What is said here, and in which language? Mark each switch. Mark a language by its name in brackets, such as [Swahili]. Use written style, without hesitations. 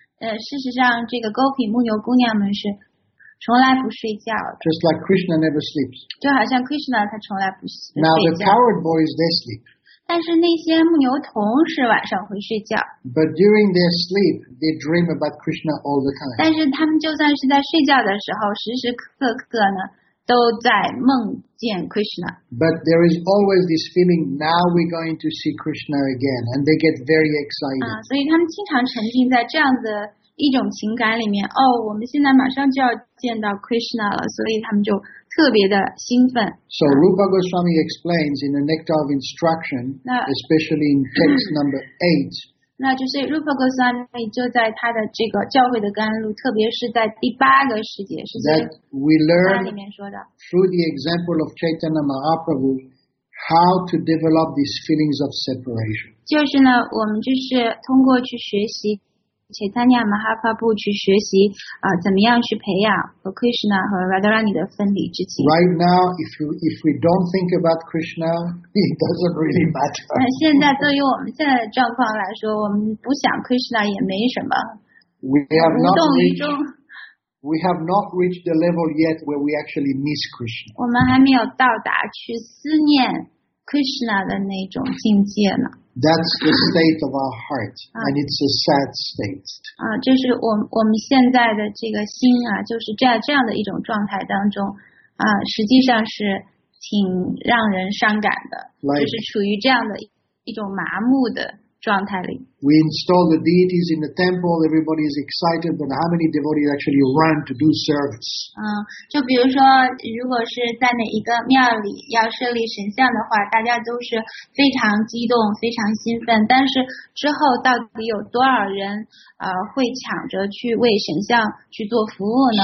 [Chinese] 事实上，这个 gopi 牧牛姑娘们是从来不睡觉的。 [English] Just like Krishna never sleeps. [Chinese] 就好像 Krishna 他从来不睡觉。 [English] Now the coward boys they sleep. [Chinese] 但是那些牧牛童是晚上会睡觉。 [English] But during their sleep, they dream about Krishna all the time. [Chinese] 但是他们就算是在睡觉的时候，时时刻刻呢，都在梦见 Krishna. [English] But there is always this feeling, now we're going to see Krishna again, and they get very excited. [Chinese] 所以他们经常沉浸在这样的一种情感里面。哦，我们现在马上就要见到 Krishna 了，所以他们就。特别的兴奋。 [English] So Rupa Goswami explains in the Nectar of Instruction, especially in text number 8. [Chinese] 那就是 Rupa Goswami 就在他的这个教会的甘露，特别是在第八个世界，是在 [English] That we learn [Chinese] 里面说的 [English] through the example of Chaitanya Mahaprabhu how to develop these feelings of separation. [Chinese] 就是呢，我们就是通过去学习。且参加马哈帕布去学习、怎么样去培养和 Krishna 和 Radharani 的分离之情。 [English] Right now, if we don't think about Krishna, it doesn't really matter. [Chinese] 现在对于我们现在的状况来说，我们不想 Krishna 也没什么。 [English] We have not reached the level yet where we actually miss Krishna. [Chinese] 我们还没有到达去思念 Krishna 的那种境界呢。 [English] That's the state of our heart, and it's a sad state. [Chinese] 这是我们现在的这个心啊，就是在这样的一种状态当中，实际上是挺让人伤感的， [English] like, [Chinese] 就是处于这样的一种麻木的状态里。 [English] We install the deities in the temple. Everybody is excited, but how many devotees actually run to do service? [Chinese] 就比如说，如果是在哪一个庙里要设立神像的话，大家都是非常激动、非常兴奋。但是之后到底有多少人会抢着去为神像去做服务呢？